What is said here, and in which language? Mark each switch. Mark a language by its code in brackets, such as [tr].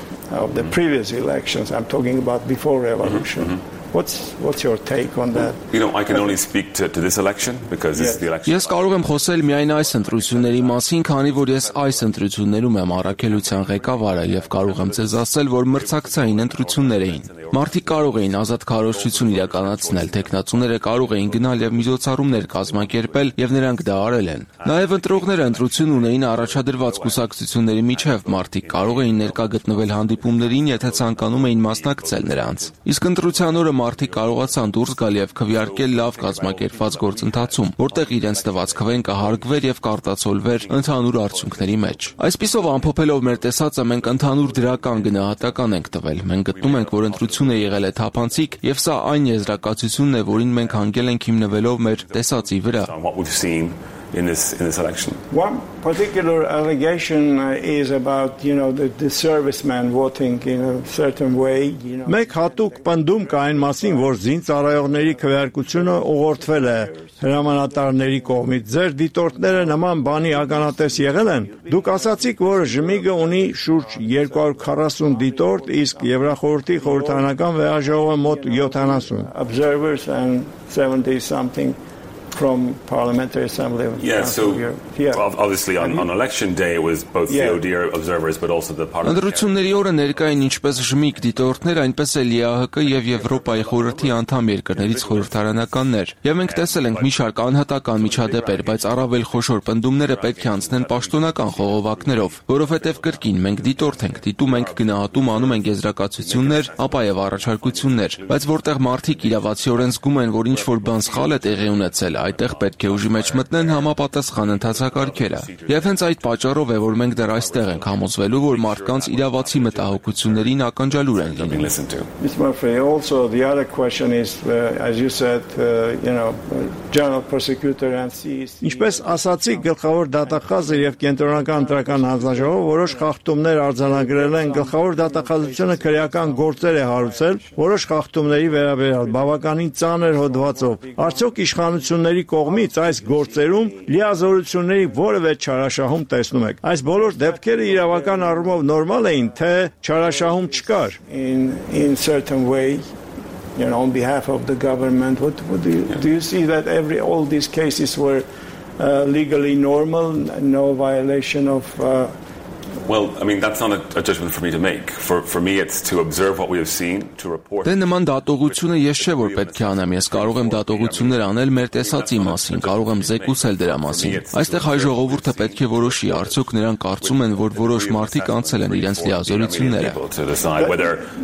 [en] Of the previous elections, I'm talking about before revolution. What's your take on that? You know, I can only speak to this election because this is the election. [hy] Ես կարող եմ խոսել միայն այս ընտրությունների մասին, քանի որ ես այս ընտրություններում եմ առաքելության ղեկավարը եւ կարող եմ ձեզ ասել, որ մրցակցային ընտրություններ էին։ Մարդիկ կարող էին ազատ քարոշություն իրականացնել, տեխնացուները կարող էին գնալ եւ միջոցառումներ կազմակերպել եւ նրանք դա արել են։ Նաեւ ընտրողները ընտրություն ունեին առաջադրված կուսակցությունների միջև, մարդիկ կարող էին ներկա գտնվել հանդիպումներին, եթե ցանկանում էին մասնակցել նրանց։ Իսկ ընտրության օրը մարդիկ կարողացան դուրս գալ եւ քվեարկել լավ կազմակերպված գործընթացում, որտեղ իրենց տված քվեն կհարգվեր եւ կարտացոլվեր ընդհանուր արդյունքների մեջ։ Այսպիսով ամփոփելով մեր տեսածը, մենք ընդհանուր դրական գնահատական ենք տվել։ Մենք գտնում ենք, որ ընտրությունը եղել է թափանցիկ եւ սա այն եզրակացությունն է, որին մենք հանգել ենք հիմնվելով մեր տեսածի վրա։ [en] In this election. One particular allegation is about, you know, the servicemen voting in a certain way, you know. [hy] Մեկ հատուկ պնդում կա այն մասին, որ զինծառայողների քվեարկությունը ուղղորդվել է հրամանատարների կողմից։ Ձեր դիտորդները նման բանի ականատես եղել են։ Դուք ասացիք, որ ԺՄԻԿ-ը ունի շուրջ 240 դիտորդ, իսկ Եվրախորհրդի խորհրդանական վերաժողովը մոտ 70 [en] observers and 70 something from parliamentary assembly of obviously on election day it was both the ODIHR observers but also the parliament. [hy] Ընդդրությունների օրը ներկային ինչպես ԺՄԻԿ դիտորդներ, այնպես էլ ԵԱՀԿ եւ Եվրոպայի խորհրդի անդամ երկրներից խորհրդարանականներ։ Եվ մենք տեսել ենք մի շարք անհատական միջադեպեր, բայց առավել խոշոր պնդումները պետք է անցնեն պաշտոնական խողովակներով, որովհետեւ կրկին մենք դիտորդ ենք, դիտում ենք գնահատում, անում ենք եզրակացություններ, ապա եւ առաջարկություններ, բայց որտեղ մարդիկ իրավացիորեն զգում են, որ ինչ որ բան սխալ է տեղի ունեցել, այդտեղ պետք է ուժի մեջ մտնեն համապատասխան ընթացակարգերը։ Եվ հենց այդ պատճառով է, որ մենք դեռ այստեղ ենք համոզվելու, որ մարդկանց իրավացի մտահոգություններին ակնջալուր են լինում։ [en] Mr. Murphy, also the other question is, as you said, you know, General Prosecutor and CEC. [hy] Ինչպես ասացի, գլխավոր դատախազը եւ կենտրոնական ընտրական հանձնաժողովը որոշ խախտումներ արձանագրել են։ Գլխավոր դատախազությունը քրեական գործեր է հարուցել որոշ խախտումների վերաբերյալ բավականին ծանր հոդվածով։ Արդյոք իշխանությունների կողմից այս գործերում լիազորությունների որևէ չարաշահում տեսնում եք։ Այս բոլոր դեպքերը իրավական առումով նորմալ էին, թե չարաշահում չկար։ [en] In certain way, you know, on behalf of the government, do you see that all these cases were legally normal, no violation of? Well, I mean, that's not a judgment for me to make. For me, it's to observe what we have seen, to report. [hy] Դեն նման դատողությունը ես չէ որ պետք է անեմ, ես կարող եմ դատողություններ անել մեր տեսածի մասին, կարող եմ զեկուցել դրա մասին։ Այստեղ հայ ժողովուրդը պետք է որոշի, արդյոք նրանք կարծում են, որ որոշ մարդիկ անցել են իրենց լիազորությունները։